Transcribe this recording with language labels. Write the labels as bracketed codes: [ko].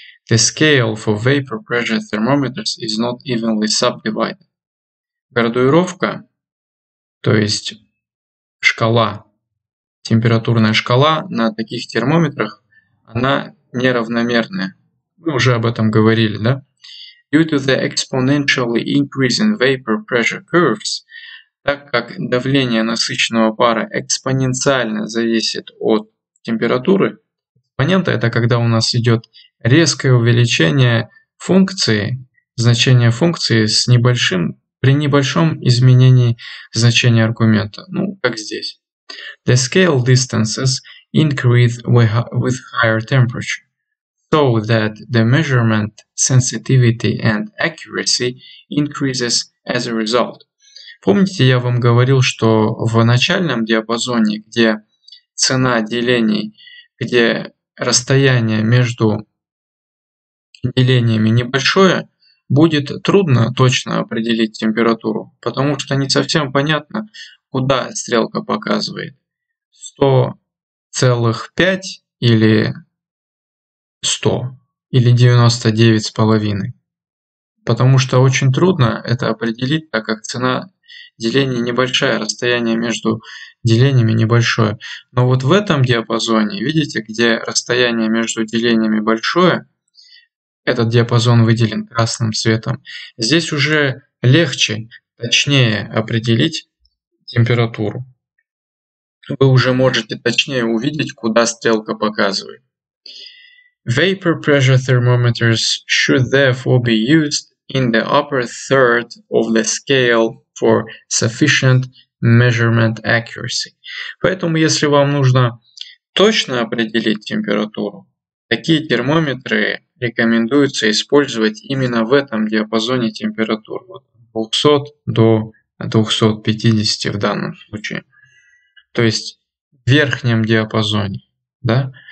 [en] The scale for vapor pressure thermometers is not evenly subdivided. [ru] Градуировка, то есть шкала, температурная шкала на таких термометрах, она неравномерная. Мы уже об этом говорили, да? [en] Due to the exponentially increasing vapor pressure curves, [ru] так как давление насыщенного пара экспоненциально зависит от температуры, экспонента — это когда у нас идет резкое увеличение функции, значение функции с небольшим, при небольшом изменении значения аргумента, ну, как здесь. [en] The scale distances increase with higher temperature, so that the measurement sensitivity and accuracy increases as a result. [ru] Помните, я вам говорил, что в начальном диапазоне, где цена делений, где расстояние между делениями небольшое, будет трудно точно определить температуру, потому что не совсем понятно, куда стрелка показывает. 100,5 или 100, или 99,5. Потому что очень трудно это определить, так как цена деления небольшая, расстояние между делениями небольшое. Но вот в этом диапазоне, видите, где расстояние между делениями большое, этот диапазон выделен красным цветом, здесь уже легче, точнее определить температуру. Вы уже можете точнее увидеть, куда стрелка показывает. [en] Vapor pressure thermometers should therefore be used in the upper third of the scale for sufficient measurement accuracy. [ru] Поэтому, если вам нужно точно определить температуру, такие термометры рекомендуется использовать именно в этом диапазоне температур, от 200 до 250 в данном случае. То есть в верхнем диапазоне, да?